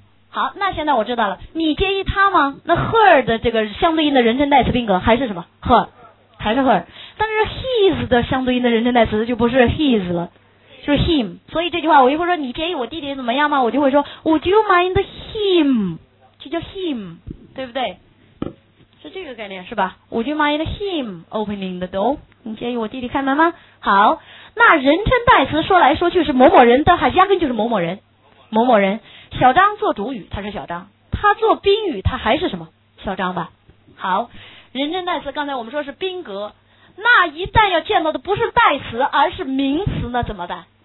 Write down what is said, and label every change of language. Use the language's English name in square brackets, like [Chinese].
[Chinese] 好，那现在我知道了，你介意他吗？那 her 的这个相对应的人称代词宾格还是什么 her， 还是 her， 但是 his 的相对应的人称代词就不是 his 了，就是 him。所以这句话我一会儿说你介意我弟弟怎么样吗，我就会说 [English] would you mind him， [Chinese] 就叫 him， 对不对？是这个概念是吧？ [English] Would you mind him opening the door？ [Chinese] 你介意我弟弟开门吗？好，那人称代词说来说去是某某人的，还压根就是某某人，某某人。小张做主语他是小张，他做宾语他还是什么？小张吧。好，人称代词刚才我们说是宾格，那一旦要见到的不是代词而是名词呢怎么办？